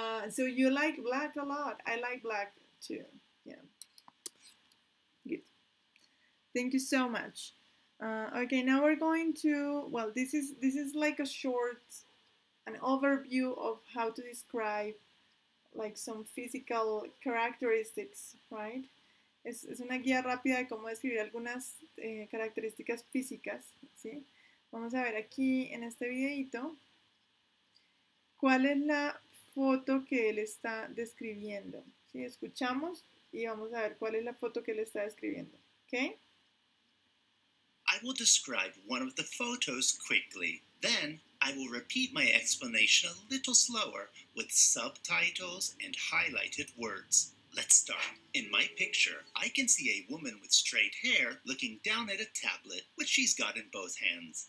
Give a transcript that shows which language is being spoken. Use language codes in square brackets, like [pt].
[en] So you like black a lot. I like black too. Yeah. Good. Thank you so much. Okay, now we're going to, well, this is like a short, an overview of how to describe like some physical characteristics, right? [es] Es una guía rápida de cómo describir algunas características físicas, ¿sí? Vamos a ver aquí en este videito cuál es la foto que él está describiendo, ¿sí? Escuchamos y vamos a ver cuál es la foto que él está describiendo, ¿ok? [en] I will describe one of the photos quickly. Then I will repeat my explanation a little slower with subtitles and highlighted words. Let's start. In my picture, I can see a woman with straight hair looking down at a tablet, which she's got in both hands.